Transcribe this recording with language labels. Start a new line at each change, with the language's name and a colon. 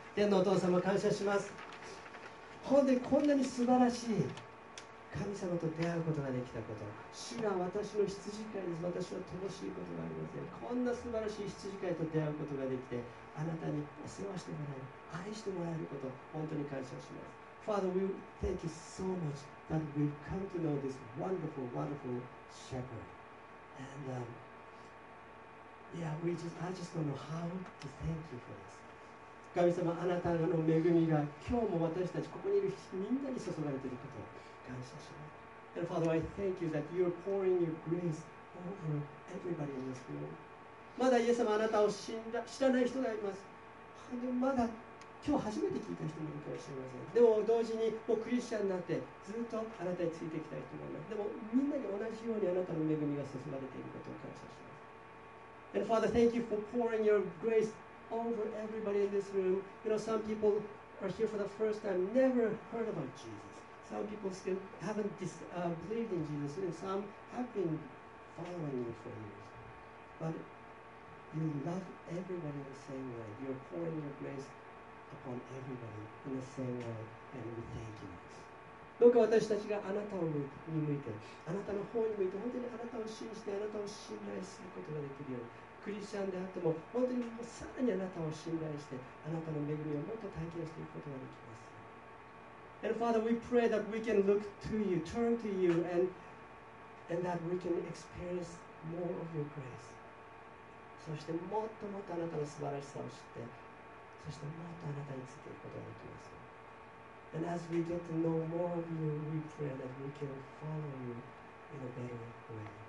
Japanese: 天のお父様、感謝します。本当にこんなに素晴らしい神様と出会うことができたこと、主が私の羊飼いです、私は乏しいことがありません、こんな素晴らしい羊飼いと出会うことができて、あなたにお世話してもらえる、愛してもらえること、本当に感謝します。
English: Father, we thank you so much that we've come to know this wonderful, wonderful shepherd. And yeah, I just don't know how to thank you for this.
Japanese: 神様、あなたの恵みが今日も私たちここにいるみんなに注がれていること、
English: And Father, I thank you that you're pouring your grace over everybody in this room.
Japanese: まだイエス様あなたを知らない人がいます。まだ今日初めて聞いた人もいるかもしれません。でも同時にもうクリスチャンになってずっとあなたについてきた人もいます。でもみんなに同じようにあなたの恵みが注がれていることを感謝します。
English: And Father, thank you for pouring your grace over everybody in this room. You know, some people are here for the first time, never heard about Jesus. Some people still haven't believed in Jesus, and some have been following you for years. But you love everybody the same way. You're pouring your grace upon everybody in the same way, and we thank you.
Japanese: どうか私たちがあなたに向いて、あなたの方に向いて、本当にあなたを信じて、あなたを信頼することができるように、クリスチャンであっても、本当にさらにあなたを信頼して、あなたの恵みをもっと体験していくことができます。
English: And Father, we pray that we can look to you, turn to you, and that we can experience more of your grace.
Japanese: そしてもっともっとあなたの素晴らしさを知って、そしてもっとあなたについていくことができます。
English: And as we get to know more of you, we pray that we can follow you in a better way.